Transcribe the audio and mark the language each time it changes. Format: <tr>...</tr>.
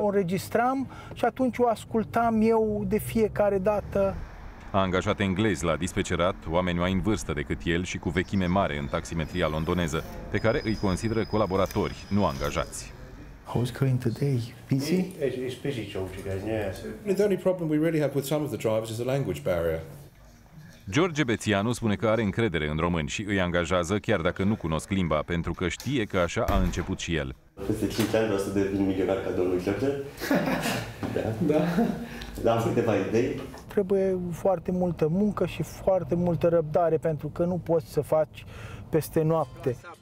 <ro>O înregistram și atunci o ascultam eu de fiecare dată. A angajat englezi la dispecerat, oameni mai în vârstă decât el și cu vechime mare în taximetria londoneză, pe care îi consideră colaboratori, nu angajați.</ro> <en>How's going today? Busy? It's busy, George, again, yeah. The only problem we really have with some of the drivers is the language barrier.</en> <ro>George Bețianu spune că are încredere în români și îi angajează chiar dacă nu cunosc limba, pentru că știe că așa a început și el. Peste 5 ani vreau să devin milionar ca domnul George. Da. Da. Dar am câteva idei. Trebuie foarte multă muncă și foarte multă răbdare, pentru că nu poți să faci peste noapte.</ro>